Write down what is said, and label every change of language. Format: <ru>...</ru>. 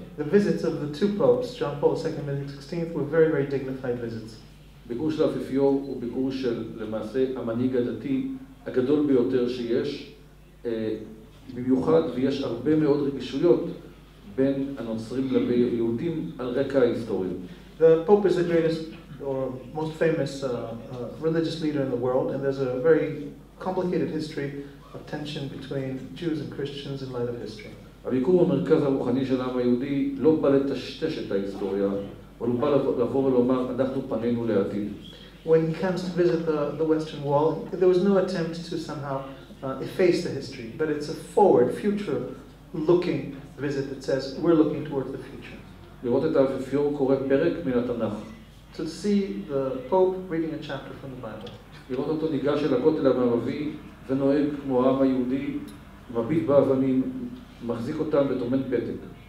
<en>The visits of the two popes, John Paul II and Benedict XVI, were very, very dignified visits.</en> <he>ביקור של האפיפיור הוא ביקור של, למעשה, המנהיג הדתי הגדול ביותר שיש, במיוחד, ויש הרבה מאוד רגישויות בין הנוצרים ליהודים על רקע ההיסטוריה.</he> <en>The Pope is the greatest or most famous religious leader in the world, and there's a very complicated history of tension between Jews and Christians in light of history.</en> <he>הביקור במרכז הרוחני של העם היהודי לא בא לטשטש את ההיסטוריה, אבל הוא בא לבוא ולומר, אנחנו פנינו לעתיד.</he> <en>When he comes to visit the Western Wall, there was no attempt to somehow efface the history, but it's a forward, future-looking visit that says, we're looking towards the future.</en> <he>לראות את האפיפיור קורא פרק מן התנ"ך.</he> <en>To see the Pope reading a chapter from the Bible.</en> <he>לראות אותו ניגש אל הכותל המערבי ונוהג כמו העם היהודי, מביט באבנים, מחזיק אותם וטומן פתק.</he>